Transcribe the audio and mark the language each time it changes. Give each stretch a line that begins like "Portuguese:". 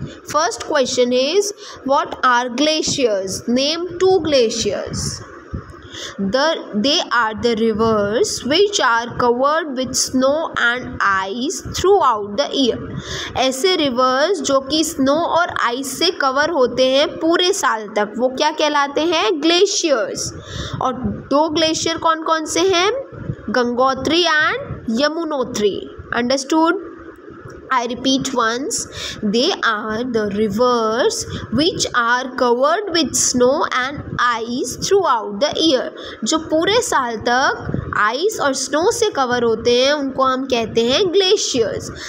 English: First question is, what are glaciers? Name two glaciers. They are the rivers which are covered with snow and ice throughout the year.
Hindi: ऐसे reverse जो कि snow और ice से cover होते हैं पूरे साल तक, वो क्या कहलाते हैं? ग्लेशियर्स. और दो ग्लेशियर कौन कौन से हैं?
English: Gangotri and Yamunotri. Understood? I repeat once, they are the rivers which are covered with snow and ice throughout the year.
Hindi: जो पूरे साल तक ice और snow से cover होते हैं उनको हम कहते हैं glaciers.